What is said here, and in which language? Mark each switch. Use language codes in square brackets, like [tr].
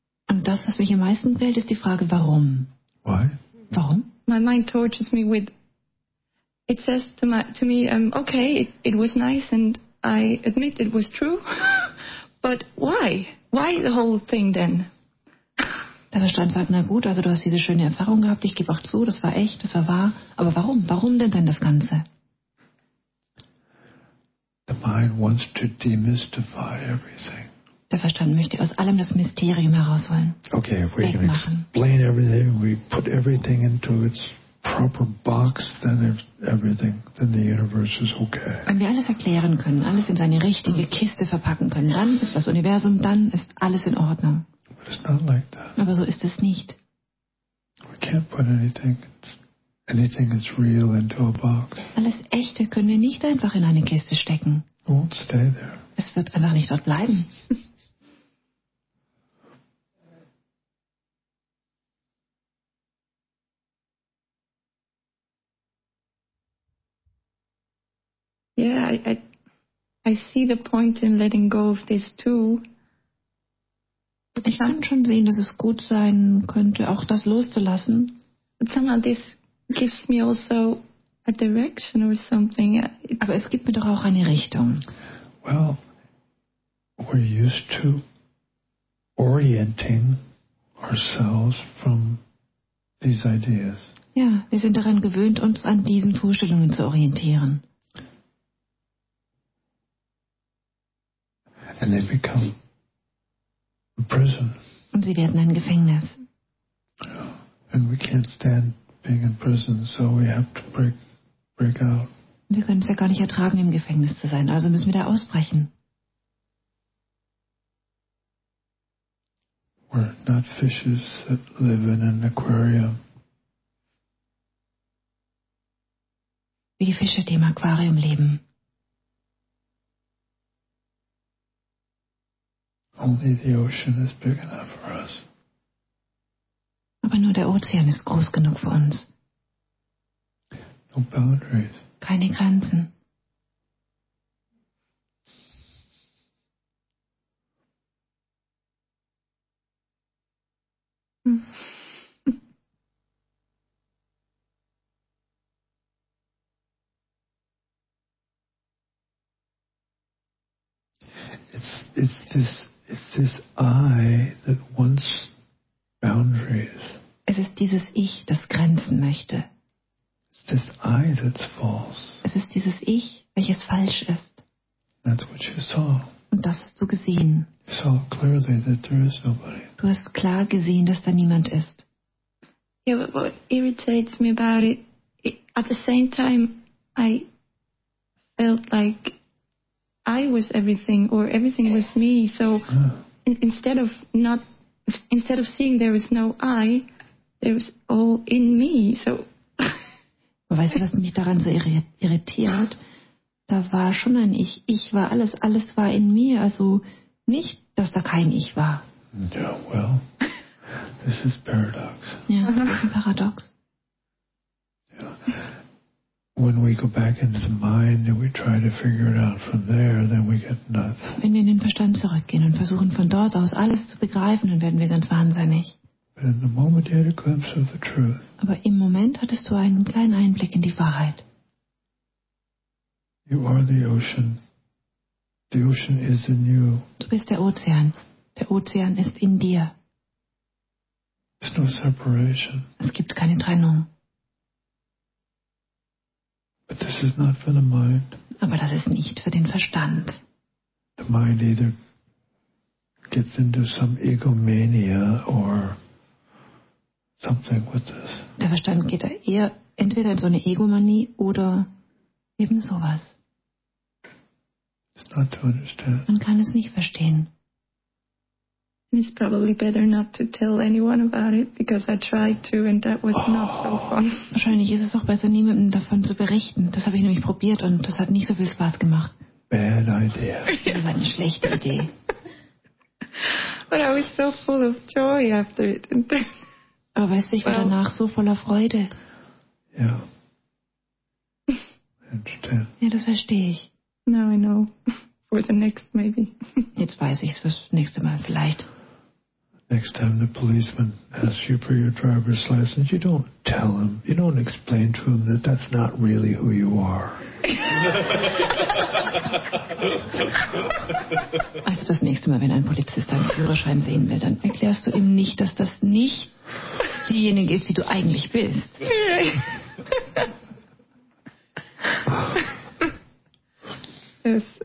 [de] Und das, was mich am meisten quält, ist die Frage, warum. [en] Why? [de] Warum? [en] My mind tortures me with. It says to my to me, okay, it was nice and I admit it was true, but why? Why the whole thing then? [de] Der Verstand sagt, na gut, also du hast diese schöne Erfahrung gehabt, ich gebe auch zu, das war echt, das war wahr. Aber warum? Warum denn dann das Ganze? [en] The mind wants to demystify everything. [de] Der Verstand möchte aus allem das Mysterium herausholen. [en] Okay, if we can explain everything, we put everything into its proper box, then everything, then the universe is okay. [de] Wenn wir alles erklären können, alles in seine richtige Kiste verpacken können, dann ist das Universum, dann ist alles in Ordnung. [en] It's not like that. [de] Aber so ist es nicht. [en] We can't put anything that's real into a box. [de] Alles Echte können wir nicht einfach in eine Kiste stecken. [en] It won't stay there. [de] Es wird einfach nicht dort bleiben. [en] Yeah, I see the point in letting go of this too. [de] Ich kann schon sehen, dass es gut sein könnte, auch das loszulassen. [en] But somehow this gives me also a direction or something. [de] Aber es gibt mir doch auch eine Richtung. [en] Well, we're used to orienting ourselves from these ideas. [de] Ja, wir sind daran gewöhnt, uns an diesen Vorstellungen zu orientieren. [en] And they become a prison. [de] Und sie werden ein Gefängnis. [en] And we can't stand being in prison, so we have to break out. [de] Wir können es ja gar nicht ertragen, im Gefängnis zu sein, also müssen wir da ausbrechen. [en] We're not fishes that live in an aquarium. [de] Wie die Fische, die im Aquarium leben. [en] Only the ocean is big enough for us. [de] Aber nur der Ozean ist groß genug für uns. [en] No boundaries. [de] Keine Grenzen. [en] It's this I that wants boundaries. [de] Es ist dieses Ich, das Grenzen möchte. [en] It's this I that's false. [de] Es ist dieses Ich, welches falsch ist. [en] That's what you saw. [de] Und das hast du gesehen. [en] You saw clearly that there is nobody. [de] Du hast klar gesehen, dass da niemand ist. [en] Yeah, but what irritates me about it, at the same time, I felt like I was everything, or everything was me. So instead of seeing there was no I, there was all in me. So. [de] Weißt du, was mich daran so irritiert? Da war schon ein Ich. Ich war alles. Alles war in mir. Also nicht, dass da kein Ich war. [en] Yeah, well, this is paradox. [de] Ja, das ist ein Paradox. [en] When we go back into the mind and we try to figure it out from there, then we get nuts. [de] Wenn wir in den Verstand zurückgehen und versuchen von dort aus alles zu begreifen, dann werden wir ganz wahnsinnig. [en] But in the moment you had a glimpse of the truth. [de] Aber im Moment hattest du einen kleinen Einblick in die Wahrheit. [en] You are the ocean. The ocean is in you. [de] Du bist der Ozean. Der Ozean ist in dir. [en] There's no separation. [de] Es gibt keine Trennung. [en] But this is not for the mind. [de] Aber das ist nicht für den Verstand. [en] The mind either gets into some egomania or something with this. [de] Der Verstand geht da eher entweder in so eine Egomanie oder eben sowas. [en] It's not to understand. [de] Man kann es nicht verstehen. [en] It's probably better not to tell anyone about it, because I tried to and that was not so fun. [de] Wahrscheinlich ist es auch besser, niemandem davon zu berichten. Das habe ich nämlich probiert und das hat nicht so viel Spaß gemacht. [en] Bad idea. [de] Das war eine schlechte Idee. [en] But I was so full of joy after it. [de] Aber weißt du, ich war danach so voller Freude. Ja. Yeah. Ja, das verstehe ich. [en] Now I know. For the next, maybe. [de] Jetzt weiß ich's fürs nächste Mal vielleicht. [en] Next time the policeman asks you for your driver's license, you don't tell him. You don't explain to him that that's not really who you are. [de] Also das nächste Mal, wenn ein Polizist deinen Führerschein sehen will, dann erklärst du ihm nicht, dass das nicht diejenige ist, die du eigentlich bist. [en] Yes.